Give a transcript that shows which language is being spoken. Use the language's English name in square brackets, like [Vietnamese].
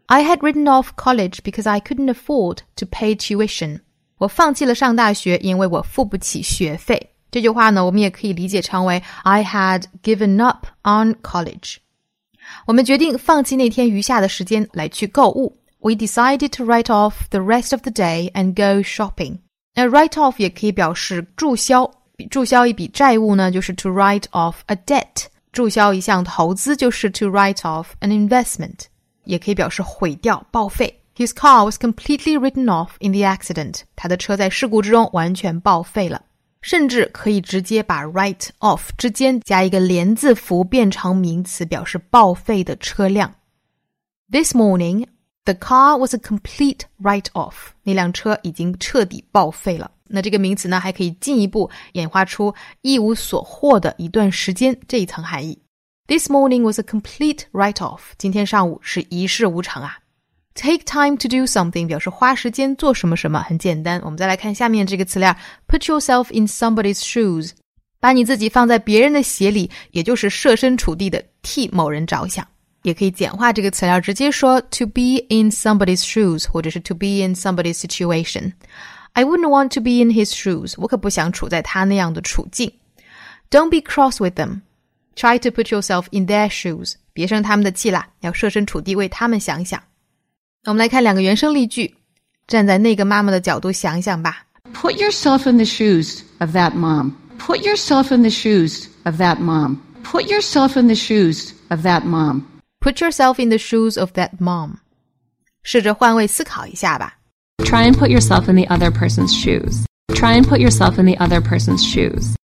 [English] I had written off college because I couldn't afford to pay tuition, [Chinese] 我放弃了上大学因为我付不起学费。这句话呢我们也可以理解成为 [English] I had given up on college. [Chinese] 我们决定放弃那天余下的时间来去购物。 [English] We decided to write off the rest of the day and go shopping. [Chinese] 那 write off 也可以表示注销一笔债务呢就是 [English] to write off a debt. [Chinese] 注销一项投资就是 [English] to write off an investment. [Chinese] 也可以表示毁掉、报废。 [English] His car was completely written off in the accident. [Chinese] 他的车在事故之中完全报废了。甚至可以直接把 write off 之间加一个连字符变成名词，表示报废的车辆。 [English] This morning, the car was a complete write off. [Chinese] 那辆车已经彻底报废了。那这个名词呢，还可以进一步演化出一无所获的一段时间这一层含义。 [English] This morning was a complete write off. [Chinese] 今天上午是一事无成啊。 [English] Take time to do something [Chinese] 表示花时间做什么什么，很简单。我们再来看下面这个词链 ， [English] put yourself in somebody's shoes， [Chinese] 把你自己放在别人的鞋里，也就是设身处地的替某人着想。也可以简化这个词链，直接说 [English] to be in somebody's shoes， [Chinese] 或者是 [English] to be in somebody's situation。 I wouldn't want to be in his shoes， [Chinese] 我可不想处在他那样的处境。 [English] Don't be cross with them， try to put yourself in their shoes， [Chinese] 别生他们的气啦，要设身处地为他们想想。我们来看两个原声例句，站在那个妈妈的角度想想吧。 [English] Put yourself in the shoes of that mom. Put yourself in the shoes of that mom. Put yourself in the shoes of that mom. Put yourself in the shoes of that mom. [Chinese] 试着换位思考一下吧。 [English] Try and put yourself in the other person's shoes. Try and put yourself in the other person's shoes.